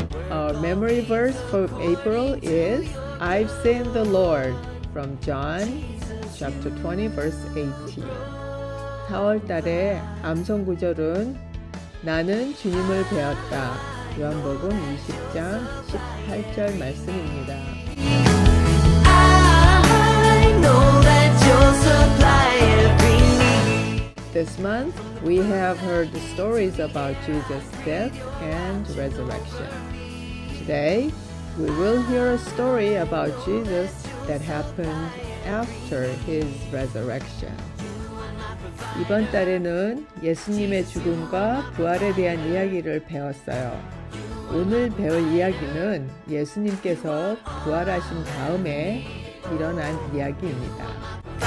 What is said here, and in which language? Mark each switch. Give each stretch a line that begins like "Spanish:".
English: Our memory verse for April is I've seen the Lord from John chapter 20 verse 18.
Korean: 4월달의 암송 구절은 나는 주님을 뵈었다. 요한복음 20장 18절 말씀입니다.
English: I know that you're supply every need. This month, we have heard the stories about Jesus' death and resurrection. Today, we will hear a story about Jesus that happened after his resurrection.
Korean: 이번 달에는 예수님의 죽음과 부활에 대한 이야기를 배웠어요. 오늘 배울 이야기는 예수님께서 부활하신 다음에 일어난 이야기입니다.